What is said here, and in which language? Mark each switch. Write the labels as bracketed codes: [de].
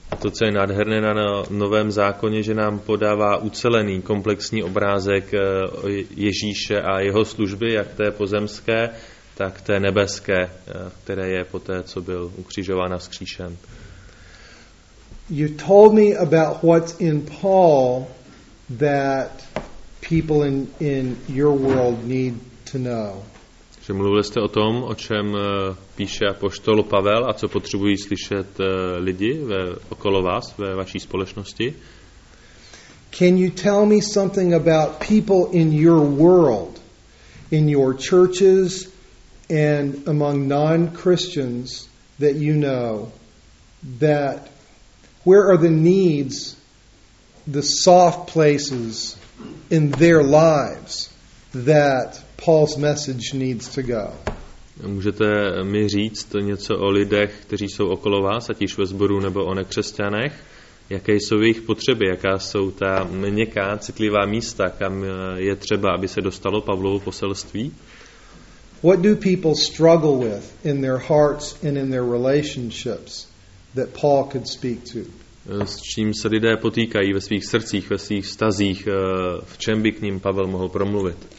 [cs] A to, co je nádherné na Novém zákoně, že nám podává ucelený komplexní obrázek Ježíše a jeho služby, jak té pozemské, tak té nebeské, které je poté, co byl ukřižován a vzkříšen. [en] You told me about what's in Paul that people in your world need to know. [cs] Že mluvili jste o tom, o čem píše apoštol Pavel a co potřebují slyšet lidi okolo vás, ve vaší společnosti. [en] Can you tell me something about people in your world, in your churches and among non-Christians that you know, that where are the needs, the soft places in their lives that Paul's message needs to go? [cs] Můžete mi říct něco o lidech, kteří jsou okolo vás, ať již ve sboru nebo o nekřesťanech? Jaké jsou jejich potřeby? Jaká jsou ta měkká, citlivá místa, kam je třeba, aby se dostalo Pavlovo poselství? [en] What do people struggle with in their hearts and in their relationships that Paul could speak to? [cs] S čím se lidé potýkají ve svých srdcích, ve svých vztazích, v čem by k ním Pavel mohl promluvit?